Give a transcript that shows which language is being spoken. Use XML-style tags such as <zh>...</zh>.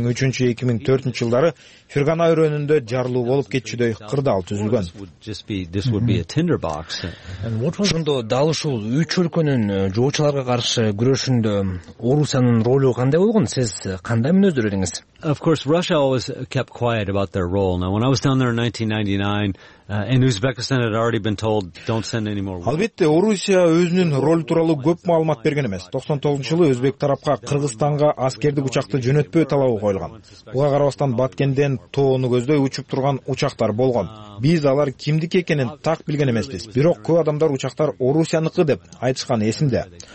<ky>2003-2004 жылдары Фергана өрөөнүндө жарылуу болуп кетчүдөй кырдаал түзүлгөн. Ошондо дал ушул 3 өлкөнүн жоочуларга каршы күрөшүндө Орусиянын ролу кандай болгон? Сиз кандай мүнөздөр эдиңиз?</ky> <en>Of course, Russia always kept quiet about their role. Now, when I was down there in 1999, and Uzbekistan had already been told, don't send any more...</en> <ky>Албетте, Орусия өзүнүн ролу тууралуу көп маалымат берген эмес. 99 жылы өзбек тарапка Кыргызстанга аскердик учакты жөнөтпөө талабы коюлган. Буга карабастан Баткенден тоону көздөй учуп турган учактар болгон. Биз алар кимдики экенин так билген эмеспиз. Бирок көп адамдар учактар Орусиянынкы деп айтышканы эсимде.</ky>